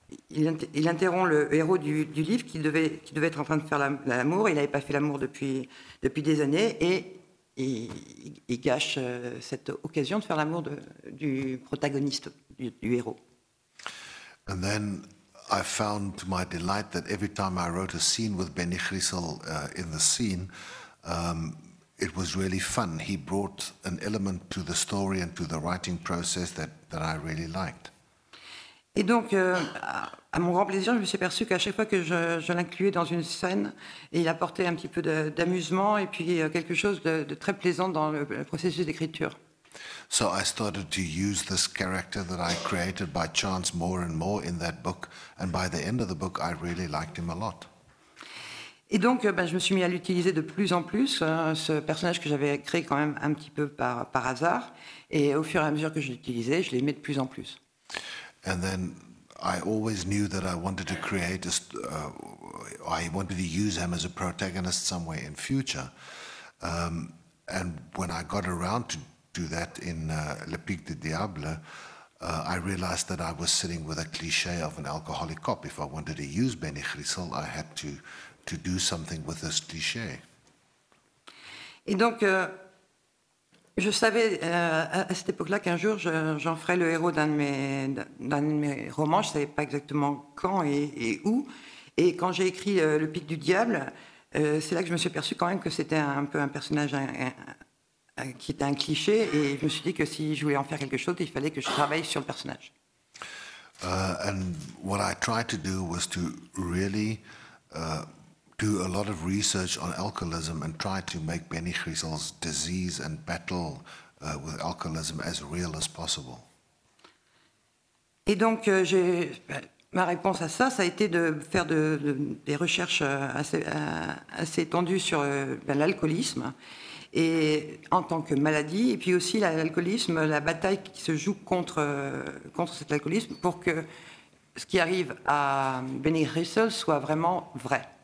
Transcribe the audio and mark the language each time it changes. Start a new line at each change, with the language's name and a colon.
French: il interrompt le héros du livre qui devait être en train de faire l'amour, il n'avait pas fait l'amour depuis des années, et il gâche cette occasion de faire l'amour du protagoniste.
English: And then I found to my delight that every time I wrote a scene with Benny Chrysal in the scene, it was really fun. He brought an element to the story and to the writing process that I really liked.
French: Et donc, à mon grand plaisir, je me suis aperçu qu'à chaque fois que je l'incluais dans une scène, il apportait un petit peu d'amusement et puis quelque chose de très plaisant dans le processus d'écriture.
English: So I started to use this character that I created by chance more and more in that book, and by the end of the book, I really liked him a lot.
French: Et donc, je me suis mis à l'utiliser de plus en plus, ce personnage que j'avais créé quand même un petit peu par hasard, et au fur et à mesure que je l'utilisais, je l'aimais de plus en plus.
English: And then I always knew that I wanted to create, I wanted to use him as a protagonist somewhere in future, and when I got around to do that in Le Pic du Diable, I realized that I was sitting with a cliché of an alcoholic cop. If I wanted to use Benny Chrysal, I had to do something with this cliché.
French: Et donc, je savais à cette époque-là qu'un jour, j'en ferais le héros d'un de mes romans. Je ne savais pas exactement quand et où. Et quand j'ai écrit Le Pic du Diable, c'est là que je me suis aperçu quand même que c'était un peu un personnage qui était un cliché, et je me suis dit que si je voulais en faire quelque chose, il fallait que je travaille sur le personnage.
English: And what I tried to do was to really do a lot of research on alcoholism and try to make Benny Chrysal's disease and battle with alcoholism as real as possible.
French: Et donc, ma réponse à ça, ça a été de faire des recherches assez étendues sur l'alcoolisme. Et en tant que maladie, et puis aussi l'alcoolisme, la bataille qui se joue contre cet alcoolisme pour que ce qui arrive à Benny Chrysal soit vraiment vrai.